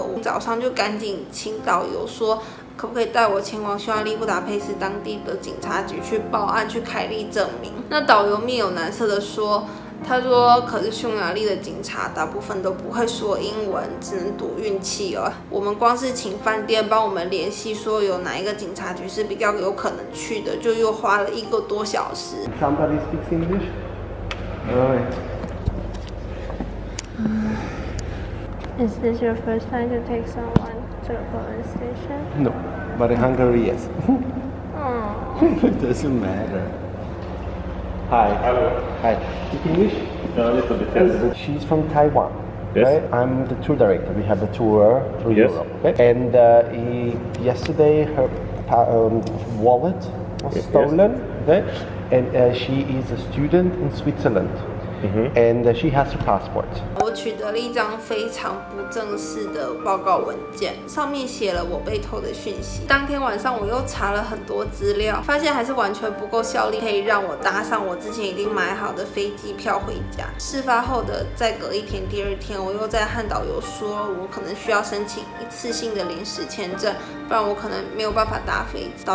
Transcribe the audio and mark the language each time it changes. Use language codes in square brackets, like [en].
[zh] 我早上就赶紧请导游说可不可以带我前往匈牙利布达佩斯当地的警察局去报案，去开立证明。那导游面有难色的说，他说可是匈牙利的警察大部分都不会说英文，只能赌运气哦。我们光是请饭店帮我们联系说有哪一个警察局是比较有可能去的，就又花了1个多小时。 [en] Somebody speaks English? Is this your first time to take someone to a police station? No, but in Hungary yes. Oh. It doesn't matter. Hi. Hi. Speak English? No, a little bit. She's from Taiwan. Yes. Right? I'm the tour director. We have a tour through yes. Europe. Okay? And yesterday her wallet was stolen. Yes. Okay? And she is a student in Switzerland. Mm-hmm. And she has her passport. [zh] 我取得了一张非常不正式的报告文件，上面写了我被偷的讯息。当天晚上我又查了很多资料，发现还是完全不够效力，可以让我搭上我之前已经买好的飞机票回家。事发后的再隔一天，第二天我又在和导游说，我可能需要申请一次性的临时签证，不然我可能没有办法搭飞机。